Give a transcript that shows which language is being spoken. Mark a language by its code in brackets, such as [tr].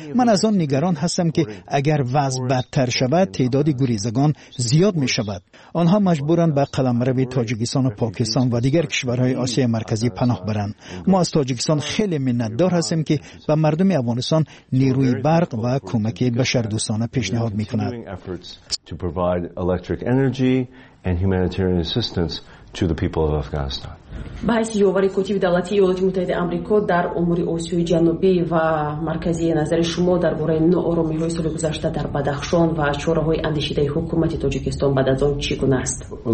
[fa] من از آن نگران هستم که اگر وضع بدتر شود تعداد گریزگان زیاد می‌شود. آنها مجبورند به قلمرو تاجیکستان و پاکستان و دیگر کشورهای آسیای مرکزی پناه برند. ما از تاجیکستان خیلی منتظر هستیم که به مردم افغانستان نیروی برق و کمک بشردوستانه پیشنهاد میکند. [en] To provide electric energy and humanitarian assistance to the people of Afghanistan. [fa] بحث یووری کوتی دولتی ایالات متحده آمریکا در امور آسیای جنوبی و مرکزی، نظر شما درباره نوآرامی های سال گذشته در بدخشان و چاره های اندیشیده حکومت تاجیکستان بعد از آن چگونه است؟